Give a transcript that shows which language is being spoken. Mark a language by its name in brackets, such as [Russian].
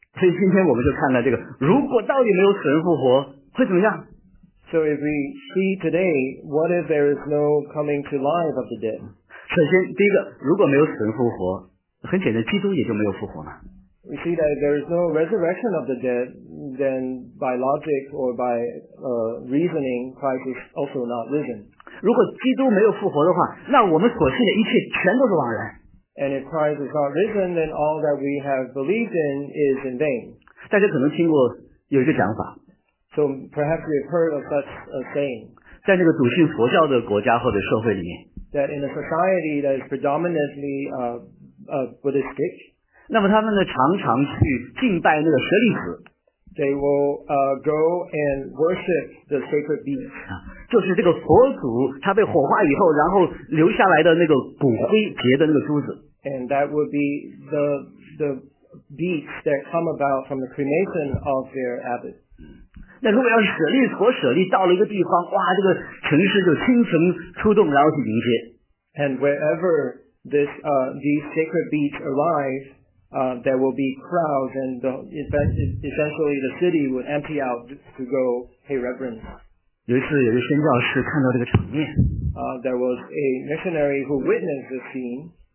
[Chinese] 所以今天我们就看到这个，如果到底没有死人复活，会怎么样？ [English] So if we see today, what if there is no coming to life of the dead? [Chinese] 首先，第一个，如果没有死人复活，很简单，基督也就没有复活嘛。 [English] We see that if there is no resurrection of the dead, then by logic or by reasoning, Christ is also not risen. [Chinese] 如果基督没有复活的话，那我们所信的一切全都是枉然。 [English] And if Christ is not risen, then all that we have believed in is in vain. [Chinese] 大家可能听过有一个讲法。 [English] So perhaps you've heard of such a saying. [Chinese] 在那个笃信佛教的国家或者社会里面。 [English] That in a society that is predominantly Buddhistic, [Chinese] 那么他们呢常常去敬拜那个舍利子。 [English] They will go and worship the sacred beast. [Chinese] 就是这个佛祖他被火化以后，然后留下来的那个骨灰结的那个珠子。 [English] And that would be the beasts that come about from the cremation of their abbot. [Chinese] 那如果要是舍利子，舍利到了一个地方，哇，这个城市就倾城出动，然后去迎接。 [English] And wherever this these sacred beasts arrive, there will be crowds, and essentially the city would empty out to go pay reverence. [Chinese] 有一次有一个宣教士看到这个场面。 [English] There was a missionary who witnessed the scene.